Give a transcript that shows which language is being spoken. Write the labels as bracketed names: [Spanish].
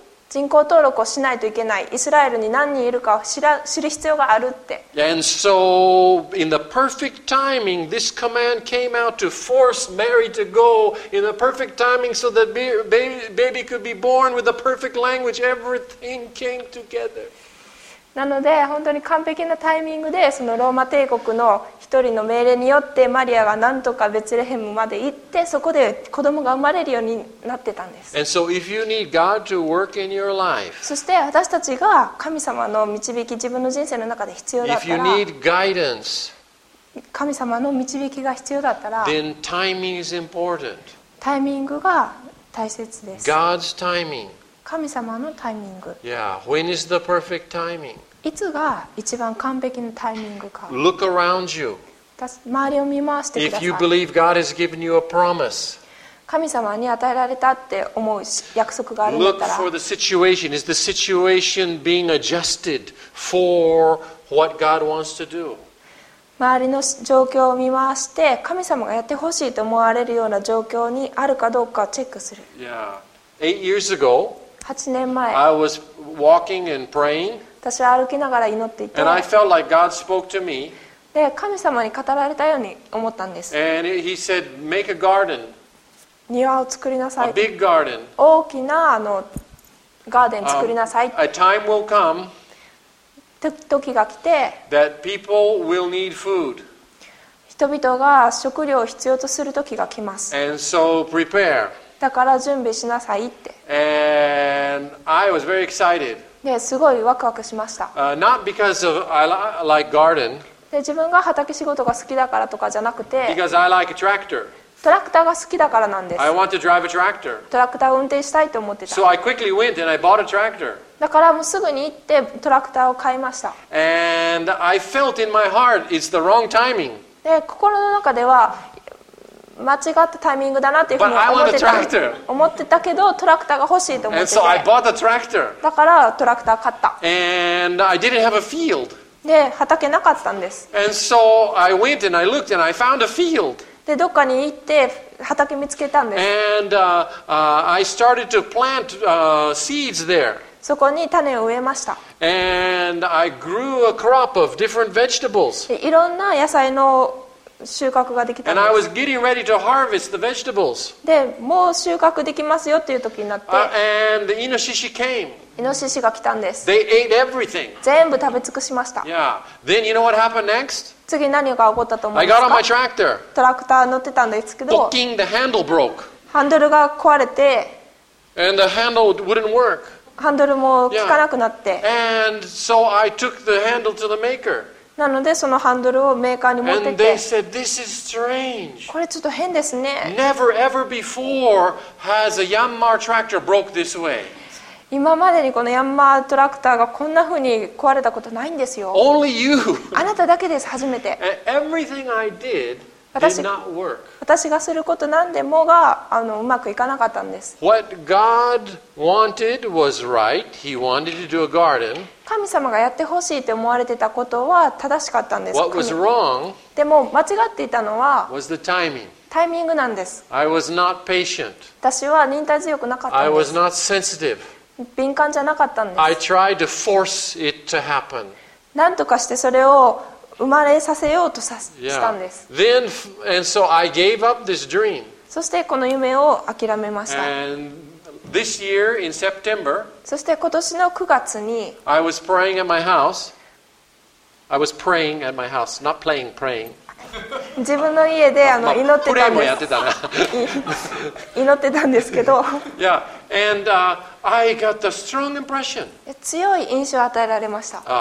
[Japanese] 人口登録をしないといけない。イスラエルに何人いるかを知る必要があるって。 [English] And so, in the perfect timing, this command came out to force Mary to go in the perfect timing so that baby could be born with the perfect language. Everything came together. [Japanese] なので本当に完璧なタイミングでそのローマ帝国の一人の命令によってマリアがなんとかベツレヘムまで行ってそこで子供が生まれるようになってたんです。 [English] And so if you need God to work in your life, [Japanese] そして私たちが神様の導き自分の人生の中で必要だったら [English] if you need guidance, [Japanese] 神様の導きが必要だったら [English] then timing is important. [Japanese] タイミングが大切です。 [English] God's timing. [Japanese] 神様のタイミング。 [English] Yeah, when is the perfect timing? [Japanese] いつが一番完璧なタイミングか。 [English] Look around you. [Japanese] 周りを見回してください。 [English] If you believe God has given you a promise, [Japanese] 神様に与えられたって思う約束があるんだったら。 [English] Look for the situation. Is the situation being adjusted for what God wants to do? [Japanese] 周りの状況を見回して、神様がやってほしいと思われるような状況にあるかどうかチェックする。 [English] Yeah. 8 years ago, [Japanese] 8年前 [English] I was walking and praying, [Japanese] 私は歩きながら祈っていて [English] and I felt like God spoke to me, [Japanese] で神様に語られたように思ったんです。 [English] And he said, make a garden, [Japanese] 庭を作りなさい、 [English] a big garden, [Japanese] 大きなあのガーデン作りなさい、 [English] a time will come, [Japanese] 時が来て [English] that people will need food, [Japanese] 人々が食料を必要とする時が来ます。 [English] And so prepare [Japanese] だから準備しなさいって。 [English] And I was very excited. [Japanese] ですごいワクワクしました。 [English] Not because of I like garden. [Japanese] で自分が畑仕事が好きだからとかじゃなくて。 [English] Because I like a tractor. [Japanese] トラクターが好きだからなんです。 [English] I want to drive a tractor. [Japanese] トラクターを運転したいと思ってた。 [English] So I quickly went and I bought a tractor. [Japanese] だからもうすぐに行ってトラクターを買いました。 [English] And I felt in my heart it's the wrong timing. [Japanese] で心の中では。間違ったタイミングだなっていうふうに思ってたけどトラクターが欲しいと思ってて、だからトラクター買った。 [English] And I didn't have a field. [Japanese] で畑なかったんです。 [English] And so I went and I looked and I found a field. [Japanese] でどっかに行って畑見つけたんです。 [English] And I started to plant seeds there. [Japanese] そこに種を植えました。 [English] And I grew a crop of different vegetables. [Japanese] いろんな野菜の収穫ができたんです。 [English] And I was getting ready to harvest the vegetables. [Japanese] で、もう収穫できますよっていう時になって。 [English] And the イノシシ came. [Japanese] イノシシが来たんです。 [English] They ate everything. [Japanese] 全部食べ尽くしました。 [English] Yeah. Then you know what happened next? [Japanese] 次何が起こったと思いますか? [English] I got on my tractor. [Japanese] トラクター乗ってたんですけど。 [English] Booking the handle broke. [Japanese] ハンドルが壊れて。 [English] And the handle wouldn't work. [Japanese] ハンドルも効かなくなって、 [English] yeah. And so I took the handle to the maker. [Japanese] なのでそのハンドルをメーカーに持ってって [English] And they said, This is strange. [Japanese] これちょっと変ですね [English] Never ever before has a Yanmar tractor broke this way. [Japanese] 今までにこのヤンマートラクターがこんな風に壊れたことないんですよ [English] Only you. [Japanese] あなただけです初めて [English] And everything I did did not work. [Japanese] 私がすること何でもがうまくいかなかったんです。 [English] What God wanted was right. He wanted to do a garden. [Japanese] 神様がやってほしいと思われてたことは正しかったんです。 [English] What was wrong? [Japanese] でも間違っていたのは [English] was the timing. [Japanese] タイミングなんです。 [English] I was not patient. [Japanese] 私は忍耐強くなかったんです。 [English] I was not sensitive. [Japanese] 敏感じゃなかったんです。 [English] I tried to force it to happen. [Japanese] 何とかしてそれを生まれさせようとしたんです。 [English] Yeah. Then, and so、I gave up this dream. [Japanese] そしてこの夢を諦めました。 [English] And this year, in September, [Japanese] そして今年の9月に [English] I was praying at my house. I was praying at my house. Not playing, praying. [Japanese] 自分の家で祈ってたんです。プレイもやってたな。祈ってたんですけど。 Yeah. [English] And, I got the strong impression. [Japanese] 強い印象を与えられました。